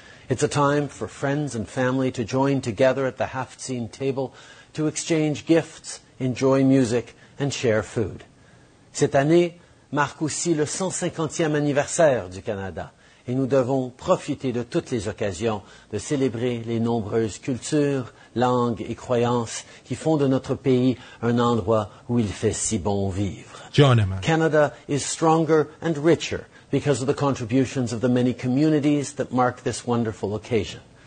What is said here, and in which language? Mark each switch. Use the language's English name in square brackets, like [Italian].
[English] It's a time for friends and family to join together at the haftseen table to exchange gifts, enjoy music, and share food. [French] Cette année marque aussi le 150e anniversaire du Canada, et nous devons profiter de toutes les occasions de célébrer les nombreuses cultures, langues et croyances qui font de notre pays un endroit où il fait si bon vivre. [English] Canada is stronger and richer because of the contributions of the many communities that mark this wonderful occasion.